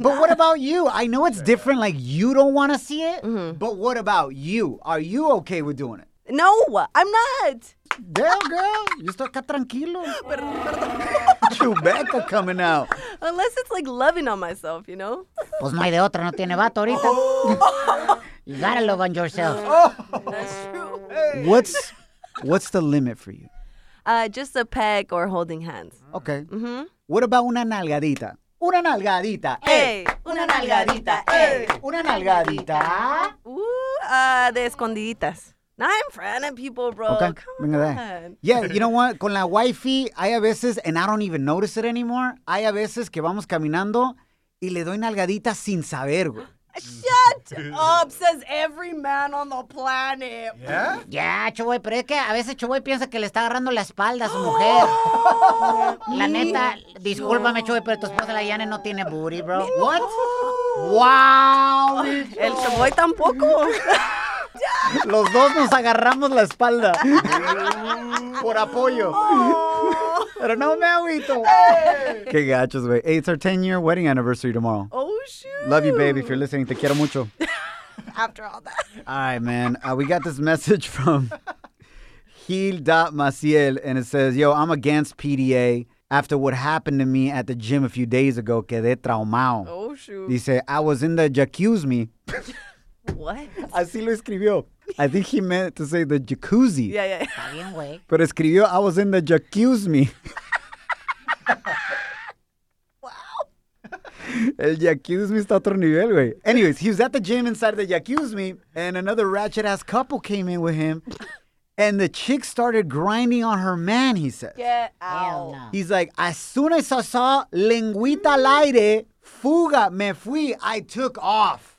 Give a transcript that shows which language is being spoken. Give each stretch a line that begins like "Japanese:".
English: But what about you? I know it's different, like, you don't want to see it. Mm-hmm. But what about you? Are you okay with doing it? No, I'm not. Damn, girl. You still got tranquilo. Chewbacca coming out. Unless it's like loving on myself, you know?
Spanish: Pues no hay de otra, no tiene vato ahorita.
English: You gotta love on yourself. What's the limit for you? Just a peck or holding hands. Okay. Mm-hmm. What about
Spanish: una nalgadita? Una nalgadita.
English: Hey.
Spanish: Una nalgadita. Hey. Una nalgadita. De escondiditas.
English: Now I'm friending people, bro. Okay. Come on. Yeah, you know what?
Spanish: Con la wifey, hay a veces,
English: and I don't even notice it anymore,
Spanish: hay a veces que vamos caminando y le doy nalgadita sin saber, güey.
English: Shut up, says every man on the planet. Yeah? Yeah,
Spanish: Chuboy, pero es que a veces Chuboy piensa que le está agarrando la espalda a su mujer. La neta, discúlpame, Chuboy, pero tu esposa, la Yane, no tiene booty, bro. No.
English: What? Wow.
Spanish: El Chuboy tampoco. Los dos nos agarramos la espalda. Por apoyo. Pero no me agüito. Qué gachos, güey.
English: Hey, it's our 10-year wedding anniversary tomorrow. Oh, shoot. Love you, baby. If you're listening,
Spanish: te quiero mucho.
English: After all that. All right, man. We got this message from Gil.Maciel, and it says, yo, I'm against PDA. After what happened to me at the gym a few days ago,
Spanish: quedé traumado.
English: Oh, shoot.
Spanish: Dice,
English: I was in the jacuzzi. What?
Spanish: Así lo escribió.
English: I think he meant to say the jacuzzi. Yeah, yeah.
Spanish: Pero escribió,
English: I was in the jacuzzi. Wow.
Spanish: El jacuzzi está a otro nivel, güey.
English: Anyways, he was at the gym inside the jacuzzi, and another ratchet-ass couple came in with him, and the chick started grinding on her man, he says. Get out. He's like, as soon as I saw
Spanish: lengüita al aire, fuga, me fui,
English: I took off.